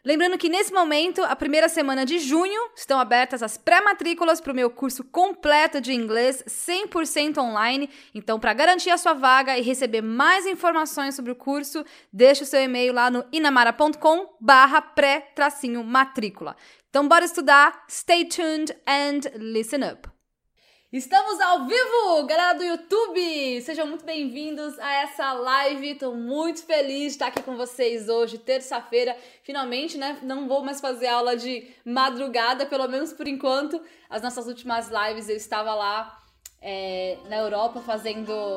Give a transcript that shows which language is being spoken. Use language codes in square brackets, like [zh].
[pt] Lembrando que nesse momento, a primeira semana de junho, estão abertas as pré-matrículas para o meu curso completo de inglês 100% online. Então, para garantir a sua vaga e receber mais informações sobre o curso, deixe o seu e-mail lá no inamara.com/pré-matricula. Então, bora estudar. [en] Stay tuned and listen up. [pt] Estamos ao vivo, galera do YouTube! Sejam muito bem-vindos a essa live. Estou muito feliz de estar aqui com vocês hoje, terça-feira. Finalmente, né? Não vou mais fazer aula de madrugada, pelo menos por enquanto. As nossas últimas lives eu estava lá. Na Europa fazendo.